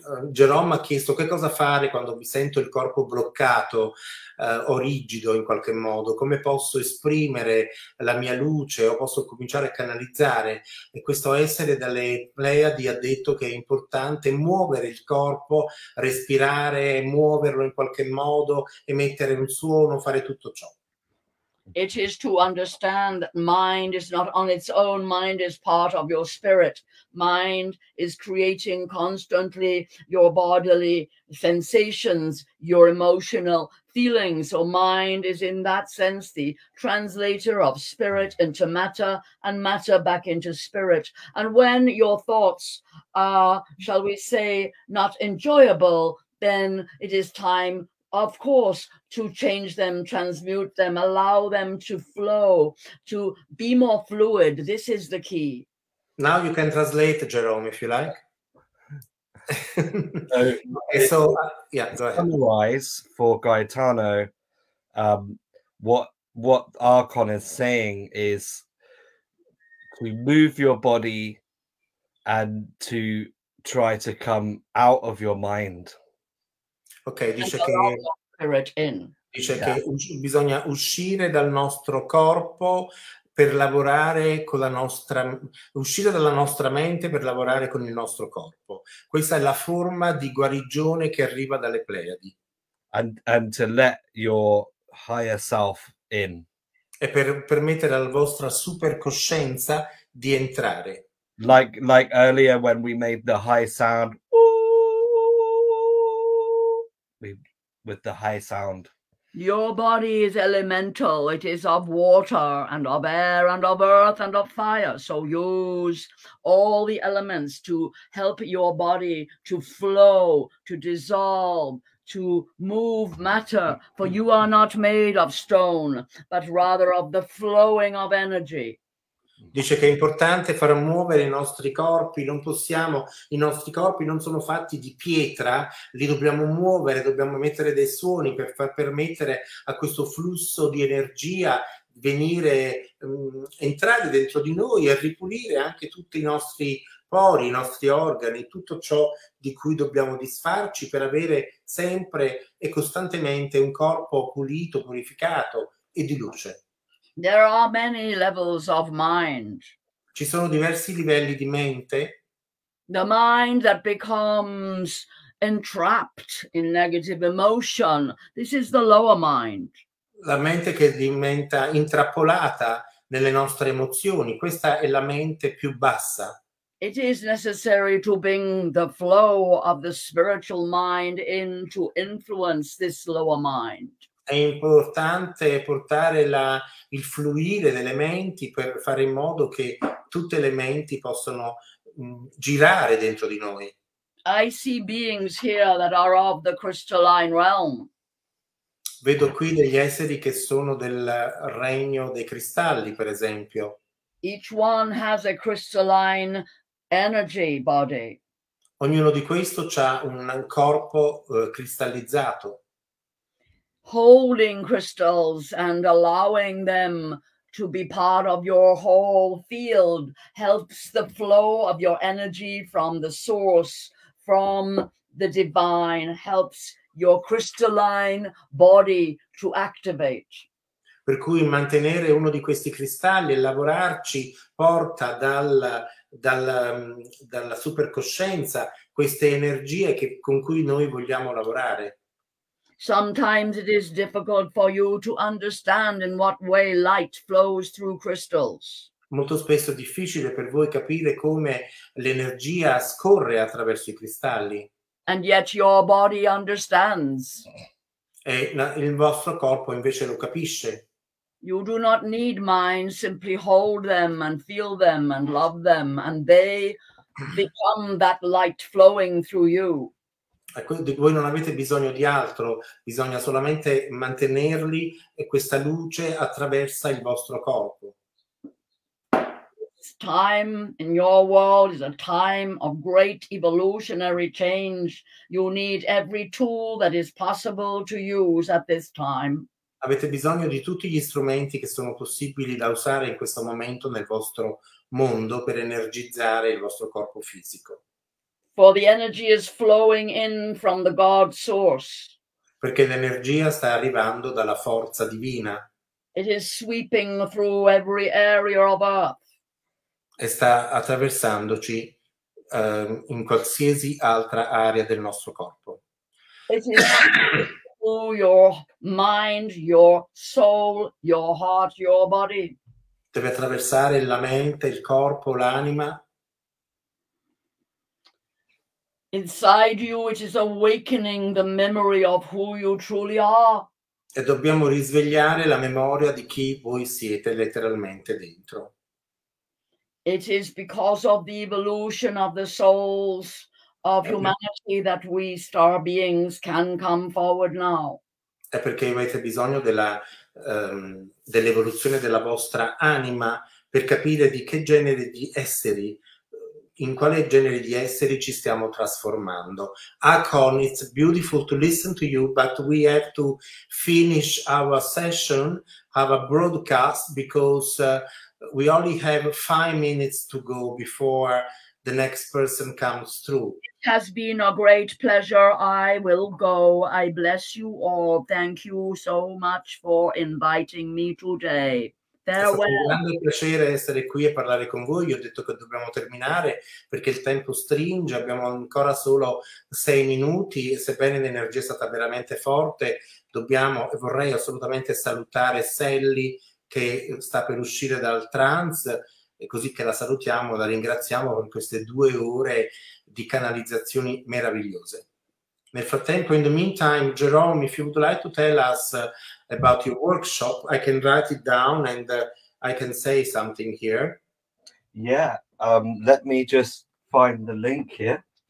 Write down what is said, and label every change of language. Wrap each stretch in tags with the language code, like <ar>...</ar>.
<it>Jerome ha chiesto che cosa fare quando mi sento il corpo bloccato o rigido in qualche modo, come posso esprimere la mia luce o posso cominciare a canalizzare, e questo essere dalle Pleiadi ha detto che è importante muovere il corpo, respirare, muoverlo in qualche modo, emettere un suono, fare tutto ciò.</it> <en>It is to understand that mind is not on its own. Mind is part of your spirit. Mind is creating constantly your bodily sensations, your emotional feelings. So mind is in that sense the translator of spirit into matter and matter back into spirit. And when your thoughts are, shall we say, not enjoyable, then it is time, of course, to change them, transmute them, allow them to flow, to be more fluid. This is the key. Now you can translate, Jerome, if you like. To summarize for Gaetano, what Archon is saying is to move your body and to try to come out of your mind.</en> <it>Okay, dice</it> <en>and</en> <it>che bisogna uscire dal nostro corpo per lavorare con la nostra, uscire dalla nostra mente per lavorare con il nostro corpo. Questa è la forma di guarigione che arriva dalle Pleiadi.</it> <en>And to let your higher self in.</en> <it>E per permettere alla vostra supercoscienza di entrare.</it> <en>Like earlier when we made the high sound. With the high sound. Your body is elemental. It is of water and of air and of earth and of fire. So use all the elements to help your body to flow, to dissolve, to move matter. For you are not made of stone, but rather of the flowing of energy.</en> <it>Dice che è importante far muovere i nostri corpi, non possiamo, i nostri corpi non sono fatti di pietra, li dobbiamo muovere, dobbiamo mettere dei suoni per far permettere a questo flusso di energia venire, entrare dentro di noi e ripulire anche tutti i nostri pori, i nostri organi, tutto ciò di cui dobbiamo disfarci per avere sempre e costantemente un corpo pulito, purificato e di luce.</it> <en>There are many levels of mind.</en> <it>Ci sono diversi livelli di mente.</it> <en>The mind that becomes entrapped in negative emotion. This is the lower mind.</en> <it>La mente che diventa intrappolata nelle nostre emozioni. Questa è la mente più bassa.</it> <en>It is necessary to bring the flow of the spiritual mind in to influence this lower mind.</en> <it>È importante portare il fluire delle menti per fare in modo che tutte le menti possano girare dentro di noi.</it> <en>I see beings here that are of the crystalline realm.</en> <it>Vedo qui degli esseri che sono del regno dei cristalli, per esempio.</it> <en>Each one has a crystalline energy body.</en> <it>Ognuno di questo c'ha un corpo cristallizzato.</it> <en>Holding crystals and allowing them to be part of your whole field helps the flow of your energy from the source, from the divine, helps your crystalline body to activate.</en> <it>Per cui mantenere uno di questi cristalli e lavorarci porta dalla supercoscienza queste energie con cui noi vogliamo lavorare.</it> <en>Sometimes it is difficult for you to understand in what way light flows through crystals.</en> <it>Molto spesso è difficile per voi capire come l'energia scorre attraverso i cristalli.</it> <en>And yet your body understands.</en> <it>E il vostro corpo invece lo capisce.</it> <en>You do not need mind, simply hold them and feel them and love them and they become that light flowing through you.</en> <it>Voi non avete bisogno di altro, bisogna solamente mantenerli e questa luce attraversa il vostro corpo.</it> <en>Time in your world is a time of great evolutionary change. You need every tool that is possible to use at this time.</en> <it>Avete bisogno di tutti gli strumenti che sono possibili da usare in questo momento nel vostro mondo per energizzare il vostro corpo fisico.</it> <en>For the energy is flowing in from the God source.</en> <it>Perché l'energia sta arrivando dalla forza divina.</it> <en>It is sweeping through every area of earth.</en> <it>E sta attraversandoci in qualsiasi altra area del nostro corpo.</it> <en>It is through your mind, your soul, your heart, your body.</en> <it>Deve attraversare la mente, il corpo, l'anima.</it> <en>Inside you it is awakening the memory of who you truly are.</en> <it>E dobbiamo risvegliare la memoria di chi voi siete letteralmente dentro.</it> <en>It is because of the evolution of the souls of humanity that we star beings can come forward now.</en> <it>È perché avete bisogno dell'evoluzione della vostra anima per capire di che genere di esseri in quale genere di esseri ci stiamo trasformando.</it> <en>Akon, it's beautiful to listen to you, but we have to finish our session, our broadcast, because we only have 5 minutes to go before the next person comes through. It has been a great pleasure. I will go. I bless you all. Thank you so much for inviting me today. Farewell.</en> <it>È stato un grande piacere essere qui e parlare con voi. Io ho detto che dobbiamo terminare perché il tempo stringe, abbiamo ancora solo 6 minuti e sebbene l'energia è stata veramente forte, dobbiamo e vorrei assolutamente salutare Sally che sta per uscire dal trance e così che la salutiamo, la ringraziamo per queste 2 ore di canalizzazioni meravigliose. Nel frattempo,</it> <en>in the meantime, Jerome, if you would like to tell us about your workshop, I can write it down and I can say something here. Yeah, let me just find the link here.</en>